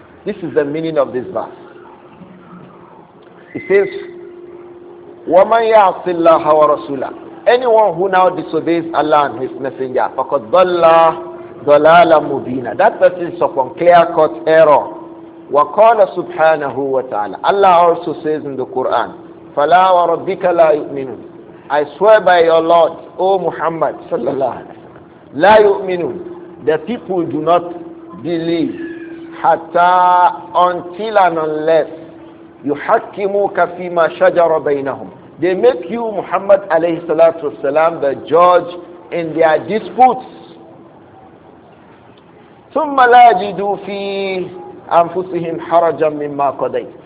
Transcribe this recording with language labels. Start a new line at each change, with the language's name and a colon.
English: This is the meaning of this verse. It says
Arabic: wa man ya'ti Allah wa rasulah,
English: anyone who now disobeys Allah and his messenger,
Arabic: faqad dalla dalala mubina.
English: That person is upon clear cut error.
Arabic: وقال سبحانه وتعالى
English: Allah also says in the Quran
Arabic: فلا وربك لا يؤمنون.
English: I swear by your Lord, O Muhammad
Arabic: صلى الله عليه وسلم, لا يؤمنون,
English: the people do not believe حتى until and unless
Arabic: يحكموك فيما شجر بينهم,
English: they make you Muhammad عليه الصلاة والسلام the judge in their disputes,
Arabic: ثم لا يجدوا في أنفسهم حرجا مما قضيت.